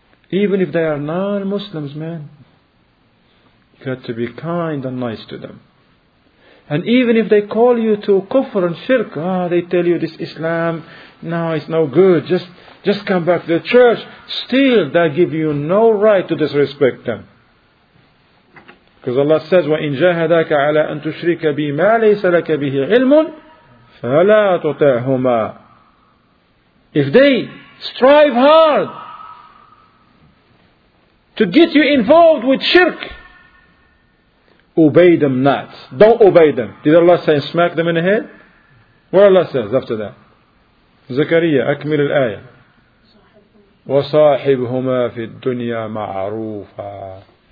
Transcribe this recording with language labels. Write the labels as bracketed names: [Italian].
[English] Even if they are non-Muslims, man, you got to be kind and nice to them. And even if they call you to kufr and shirk, they tell you this Islam, no, it's no good, just come back to the church, still they give you no right to disrespect them. Because Allah says, [Arabic] وَإِنْ جَاهَدَاكَ عَلَىٰ أَن تُشْرِكَ بِمَا لَيْسَ لَكَ بِهِ عِلْمٌ فَلَا تُطَعْهُمَا. [English] If they strive hard to get you involved with shirk, obey them not. Don't obey them. Did Allah say smack them in the head? What Allah says after that? [Arabic] Zakariya, akmil al-aya. وَصَاحِبْهُمَا فِي الدُّنْيَا مَعْرُوفًا.